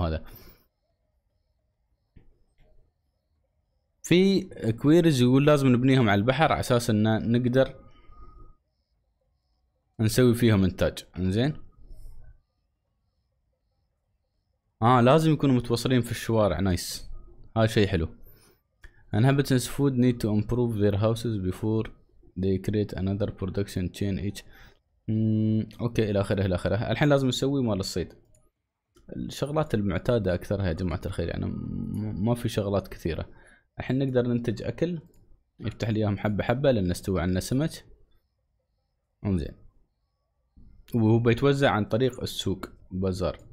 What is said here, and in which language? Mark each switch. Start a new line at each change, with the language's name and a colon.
Arabic: وهذا في كويرز يقول لازم نبنيهم على البحر على اساس ان نقدر نسوي فيهم انتاج. انزين لازم يكونوا متوصلين في الشوارع، نايس، هذا شيء حلو.
English: Inhabitants food need to improve their houses before they create another production chain each.
Arabic: اوكي، الى اخره الى اخره. الحين لازم نسوي مال الصيد، الشغلات المعتادة اكثرها يا جماعة الخير، يعني ما في شغلات كثيرة. الحين نقدر ننتج اكل، يفتح لي اياهم حبة حبة لان استوى عندنا سمك. انزين، وهو بيتوزع عن طريق السوق بازار.